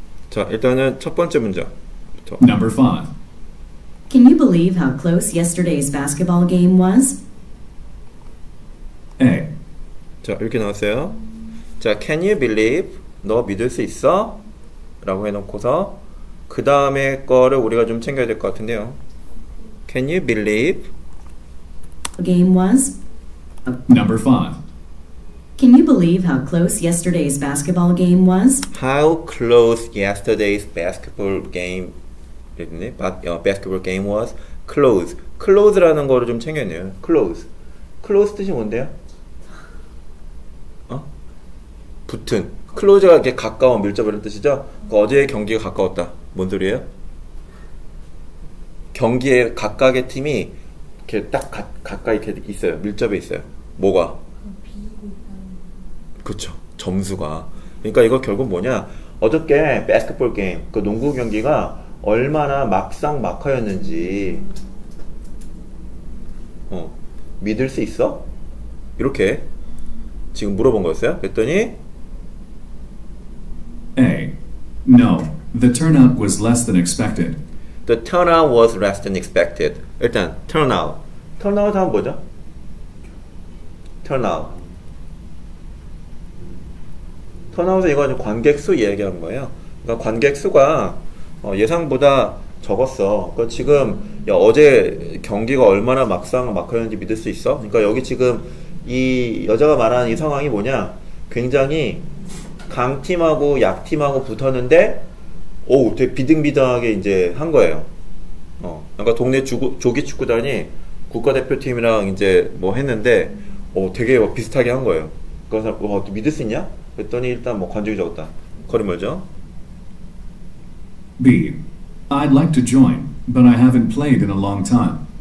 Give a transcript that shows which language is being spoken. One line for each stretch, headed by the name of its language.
Korean: 자, 일단은 첫 번째 문제부터.
English: Number 5. Can you believe how close yesterday's basketball game was? A.
Korean: 자, 이렇게 나왔어요. 자,
English: can you believe?
Korean: 너 믿을 수 있어? 라고 해놓고서 그 다음에 거를 우리가 좀 챙겨야 될 것 같은데요.
English: Can you believe? Game was? Number 5. Can you believe how close yesterday's basketball game was? How close yesterday's basketball game,
Korean: 됐네?
English: Basketball game was close.
Korean: Close라는 거를 좀 챙겨내요. Close. Close 뜻이 뭔데요? 어? 붙은. Close가 이렇게 가까운, 밀접이라는 뜻이죠. 어제의 경기가 가까웠다. 뭔 소리예요? 경기에 각각의 팀이 이렇게 딱 가까이 이렇게 있어요. 밀접해 있어요. 뭐가? 그렇죠. 점수가. 그러니까 이거 결국 뭐냐? 어저께 배스켓볼 게임, 그 농구 경기가 얼마나 막상막하였는지. 믿을 수 있어? 이렇게 지금 물어본 거였어요. 그랬더니
English: A. No. The turnout was less than expected. The turnout was less than expected.
Korean: 일단 turnout. Turnout 다음 뭐죠?
English: Turnout.
Korean: 턴아웃은 이거 관객수 얘기한 거예요. 그러니까 관객수가 예상보다 적었어. 그러니까 지금 어제 경기가 얼마나 막상막하였는지 믿을 수 있어? 그러니까 여기 지금 이 여자가 말하는 이 상황이 뭐냐? 굉장히 강팀하고 약팀하고 붙었는데 되게 비등비등하게 이제 한 거예요. 그러니까 동네 조기 축구단이 국가대표팀이랑 이제 뭐 했는데 되게 비슷하게 한 거예요. 그래서 믿을 수 있냐? 그랬더니 일단 뭐 관중이 적었다. 거리 멀죠?
English: B. I'd like to join, but I haven't played in a long time.